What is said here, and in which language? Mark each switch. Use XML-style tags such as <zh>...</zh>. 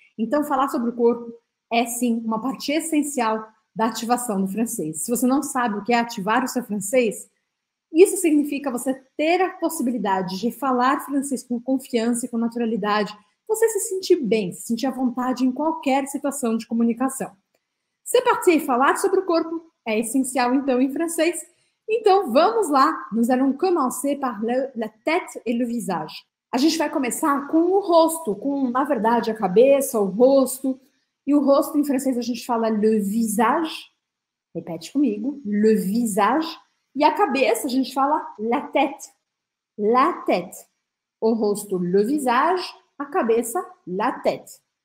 <pt>Então, falar sobre o corpo é sim uma parte essencial da ativação do francês. Se você não sabe o que é ativar o seu francês, isso significa você ter a possibilidade de falar francês com confiança e com naturalidade, você se sentir bem, se sentir à vontade em qualquer situação de comunicação. Se partir e falar sobre o corpo é essencial, então, em francês. Então, vamos lá.</pt> <fr>Nous allons commencer par la tête et le visage.</fr> <pt>A gente vai começar com o rosto, com, na verdade, a cabeça, o rosto. E o rosto em francês a gente fala le visage. Repete comigo, le visage. E a cabeça a gente fala la tête.</pt> <fr>La tête. O rosto, le visage. A cabeça, la tête.</fr>